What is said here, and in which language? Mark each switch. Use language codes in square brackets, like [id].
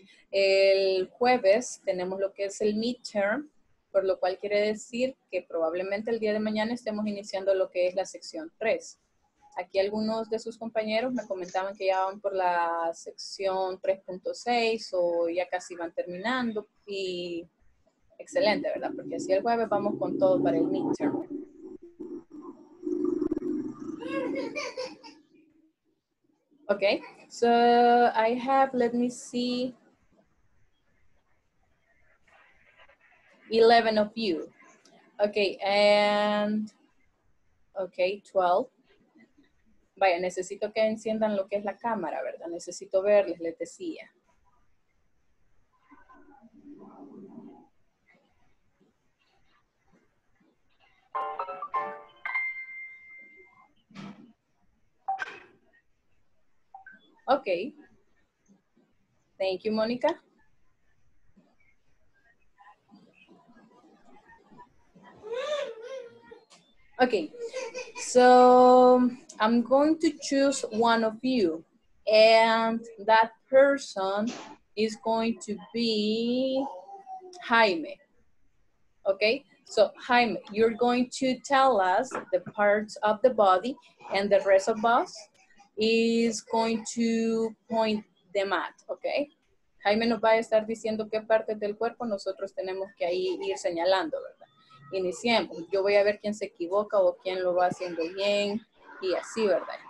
[es] El jueves tenemos lo que es el midterm, por lo cual quiere decir que probablemente el día de mañana estemos iniciando lo que es la sección 3. Aquí algunos de sus compañeros me comentaban que ya van por la sección 3.6 o ya casi van terminando. Y excelente, ¿verdad? Porque así el jueves vamos con todo para el midterm. [en] Ok, so I have, let me see, 11 of you. Okay, and okay, 12. [es] Vaya, necesito que enciendan lo que es la cámara, ¿verdad? Necesito verles, les decía. [en] Okay. Thank you, Mónica. Okay, so I'm going to choose one of you, and that person is going to be Jaime, okay? So Jaime, you're going to tell us the parts of the body, and the rest of us is going to point them out, okay? [es] Jaime nos va a estar diciendo qué partes del cuerpo nosotros tenemos que ahí ir señalando, ¿verdad? Iniciemos. Yo voy a ver quién se equivoca o quién lo va haciendo bien y así, ¿verdad?